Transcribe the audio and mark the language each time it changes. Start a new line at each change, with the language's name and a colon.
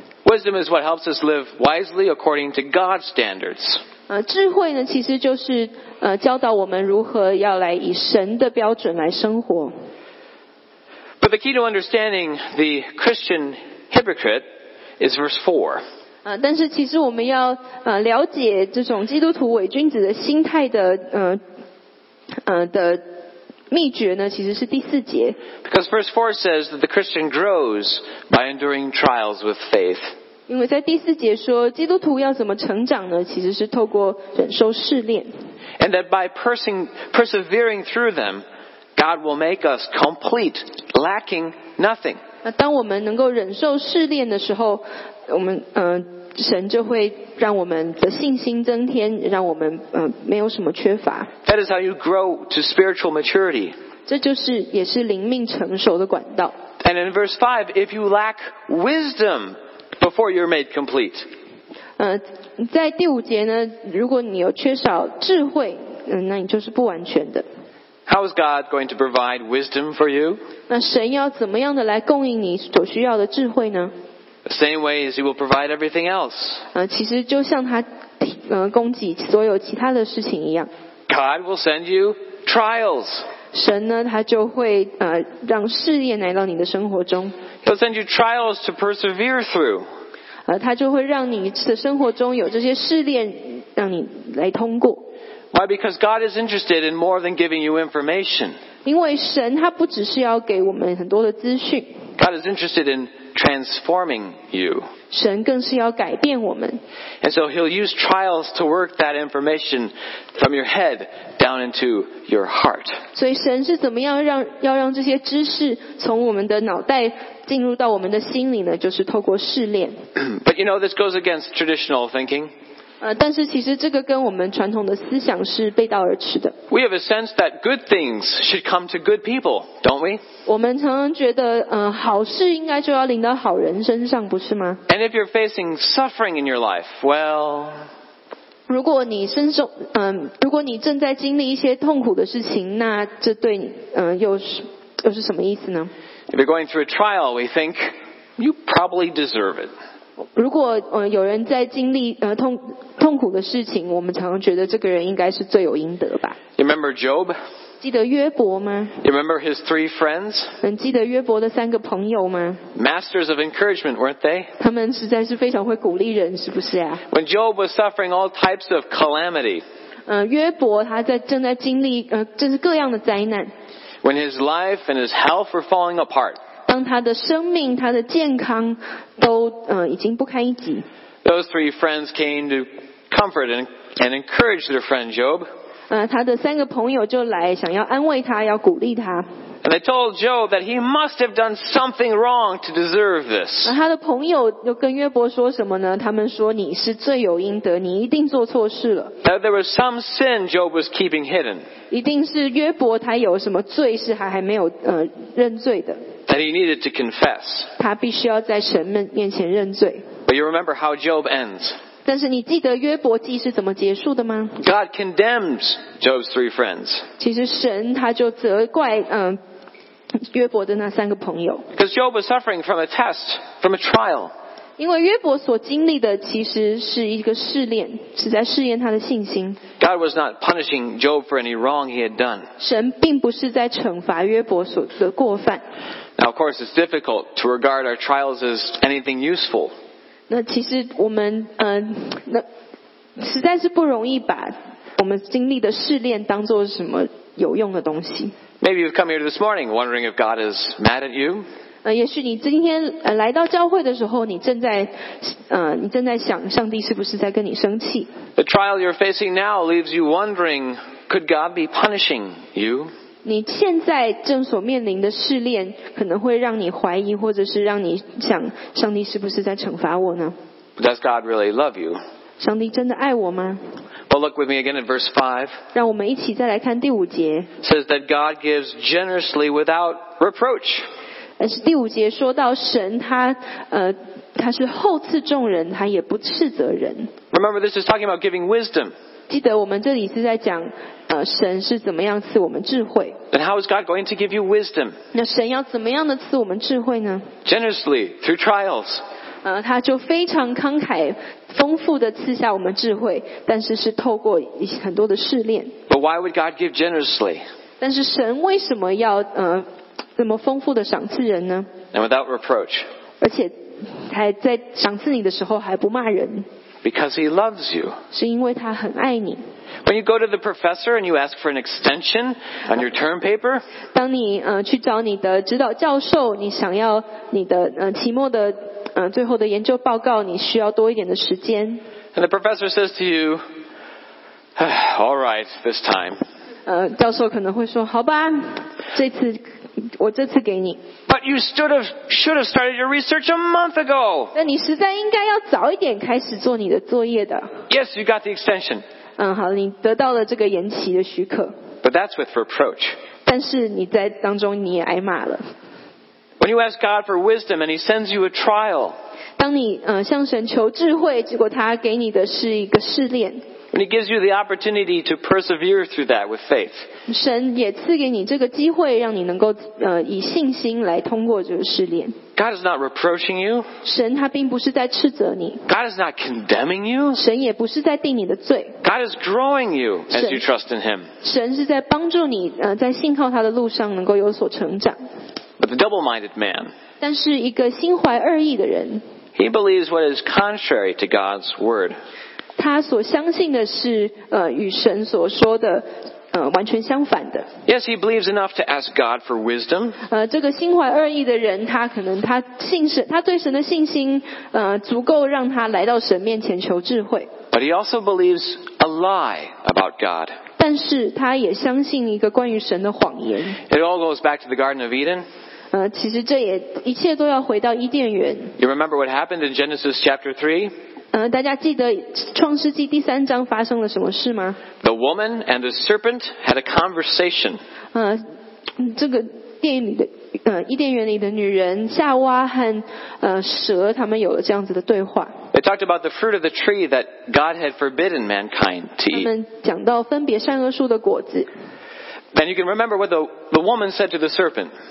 English: Wisdom is what helps us live wisely according to God's standards.
Chinese: 智慧呢，其实就是教导我们如何要来以神的标准来生活。
English: But the key to understanding the Christian hypocrite is verse 4.
Chinese: 但是其实我们要了解这种基督徒伪君子的心态的秘诀呢，其实是第四节。
English: Because verse 4 says that the Christian grows by enduring trials with faith.
Chinese: 因为在第四节说，基督徒要怎么成长呢？其实是透过忍受试炼。
English: And that by persevering through them, God will make us complete, lacking nothing.
Chinese: 那当我们能够忍受试炼的时候，我们神就会让我们的信心增添，让我们没有什么缺乏。
English: That is how you grow to spiritual maturity.
Chinese: 这就是也是灵命成熟的管道。
English: And in verse 5, if you lack wisdom before you're made complete.
Chinese: 在第五节呢，如果你有缺少智慧，那你就是不完全的。
English: How is God going to provide wisdom for you?
Chinese: 那神要怎么样的来供应你所需要的智慧呢？
English: The same way as He will provide everything else.
Chinese: 其实就像他供给所有其他的事情一样。
English: God will send you trials.
Chinese: 神呢，他就会让试验来到你的生活中。
English: He'll send you trials to persevere through.
Chinese: 他就会让你的生活中有这些试炼让你来通过。
English: Why? Because God is interested in more than giving you information.
Chinese: 因为神他不只是要给我们很多的资讯。
English: God is interested in transforming you.
Chinese: 神更是要改变我们。
English: And so he'll use trials to work that information from your head down into your heart.
Chinese: 所以神是怎么样让要让这些知识从我们的脑袋进入到我们的心里呢？就是透过试炼。
English: But you know, this goes against traditional thinking.
Chinese: 但是其实这个跟我们传统的思想是背道而驰的。
English: We have a sense that good things should come to good people, don't we?
Chinese: 我们常常觉得，好事应该就要临到好人身上，不是吗？
English: And if you're facing suffering in your life, well,
Chinese: 如果你身受，如果你正在经历一些痛苦的事情，那这对你，又是什么意思呢？
English: If you're going through a trial, we think you probably deserve it.
Chinese: 如果有人在经历痛苦的事情，我们常常觉得这个人应该是罪有应得吧。
English: You remember Job?
Chinese: 记得约伯吗？
English: You remember his three friends?
Chinese: 记得约伯的三个朋友吗？
English: Masters of encouragement, weren't they?
Chinese: 他们实在是非常会鼓励人，是不是啊？
English: When Job was suffering all types of calamity,
Chinese: 约伯他在正在经历就是各样的灾难。
English: When his life and his health were falling apart.
Chinese: 当他的生命他的健康都已经不堪一击。
English: Those three friends came to comfort and encourage their friend Job.
Chinese: 他的三个朋友就来想要安慰他要鼓励他。
English: And they told Job that he must have done something wrong to deserve this.
Chinese: 他的朋友又跟约伯说什么呢他们说你是罪有应得你一定做错事了。
English: That there was some sin Job was keeping hidden.
Chinese: 一定是约伯他有什么罪是还没有认罪的。
English: That he needed to confess.
Chinese: 他必须要在神面前认罪。
English: But you remember how Job ends.
Chinese: 但是你记得约伯记是怎么结束的吗？
English: God condemns Job's three friends.
Chinese: 其实神他就责怪约伯的那三个朋友。
English: Because Job was suffering from a test, from a trial.
Chinese: 因为约伯所经历的其实是一个试炼，是在试验他的信心。
English: God was not punishing Job for any wrong he had done.
Chinese: 神并不是在惩罚约伯所的过犯。
English: Now, of course, it's difficult to regard our trials as anything useful.
Chinese: 那其实我们那实在是不容易把我们经历的试炼当作什么有用的东西。
English: Maybe you've come here this morning wondering if God is mad at you.
Chinese: 也许你今天来到教会的时候，你正在想上帝是不是在跟你生气。
English: The trial you're facing now leaves you wondering, could God be punishing you?
Chinese: 你现在正所面临的试炼可能会让你怀疑或者是让你想上帝是不是在惩罚我呢
English: Does God really love you?
Chinese: 上帝真的爱我吗
English: Well, look with me again at verse 5.
Chinese: 让我们一起再来看第五节
English: It says that God gives generously without reproach.
Chinese: 但是第五节说到神他是厚赐众人他也不斥责人
English: Remember, this is talking about giving wisdom.
Chinese: 记得我们这里是在讲神是怎么样赐我们智慧
English: And how is God going to give you wisdom?
Chinese: 那神要怎么样的赐我们智慧呢
English: Generously, through trials
Chinese: 他就非常慷慨丰富的赐下我们智慧但是是透过很多的试炼
English: But why would God give generously?
Chinese: 但是神为什么要这么丰富的赏赐人呢
English: And without reproach
Chinese: 而且还在赏赐你的时候还不骂人
English: Because he loves you.
Chinese: 是因为他很爱你。
English: When you go to the professor and you ask for an extension on your term paper,
Chinese: 当你去找你的指导教授，你想要你的期末的最后的研究报告，你需要多一点的时间。
English: And the professor says to you, "All right, this time."
Chinese: 教授可能会说，好吧，这次我这次给你。
English: But you should have started your research a month ago.
Chinese: 那你实在应该要早一点开始做你的作业的。
English: Yes, you got the extension.
Chinese: 好，你得到了这个延期的许可。
English: But that's with reproach.
Chinese: 但是你在当中你也挨骂了。
English: When you ask God for wisdom and He sends you a trial.
Chinese: 当你向神求智慧，结果他给你的是一个试炼。
English: And he gives you the opportunity to persevere through that with faith.
Chinese: 神也赐给你这个机会，让你能够以信心来通过这个试炼。
English: God is not reproaching you.
Chinese: 神他并不是在斥责你。
English: God is not condemning you.
Chinese: 神也不是在定你的罪。
English: God is growing you as you trust in him.
Chinese: 神是在帮助你在信靠他的路上能够有所成长。
English: But the double-minded man.
Chinese: 但是一个心怀二意的人。
English: He believes what is contrary to God's word.
Chinese: 他所相信的是与神所说的完全相反的。
English: Yes, he believes enough to ask God for wisdom.
Chinese: 这个心怀恶意的人，他可能他信神，他对神的信心足够让他来到神面前求智慧。
English: But he also believes a lie about God.
Chinese: 但是他也相信一个关于神的谎言。
English: It all goes back to the Garden of Eden.
Chinese: 其实这也一切都要回到伊甸园。
English: You remember what happened in Genesis chapter 3?
Chinese: 大家记得创世纪第三章发生了什么事吗
English: ?The woman and the serpent had a conversation.
Chinese: 这个电影里的伊甸园里的女人夏娃和蛇他们有了这样子的对话。
English: They talked about the fruit of the tree that God had forbidden mankind to eat.
Chinese: 他们讲到分别善恶树的果子。
English: And you can remember what the woman said to the serpent.